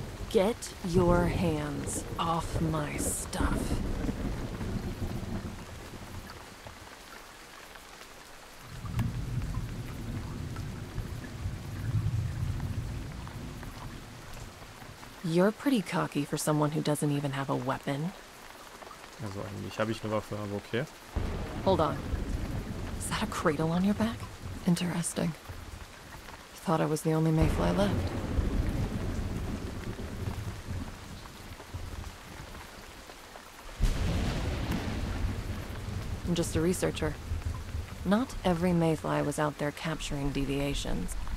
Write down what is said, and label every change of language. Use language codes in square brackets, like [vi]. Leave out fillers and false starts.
[en] Get your hands off my stuff. You're pretty cocky for someone who doesn't even have a weapon. [de] Also eigentlich habe ich eine Waffe, aber okay. [en] Hold on. Is that a cradle on your back? Interesting. I thought I was the only Mayfly left. I'm just a researcher. Not every Mayfly was out there capturing deviations.